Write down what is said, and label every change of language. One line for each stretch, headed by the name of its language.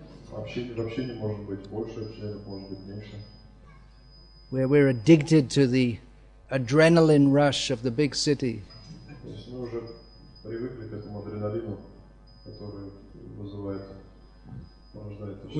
Russian: Вообще не может быть больше, вообще не может быть меньше.
English: We're addicted to the adrenaline rush of the big city.
Russian: Мы уже привыкли к этому адреналину, который вызывает, порождает.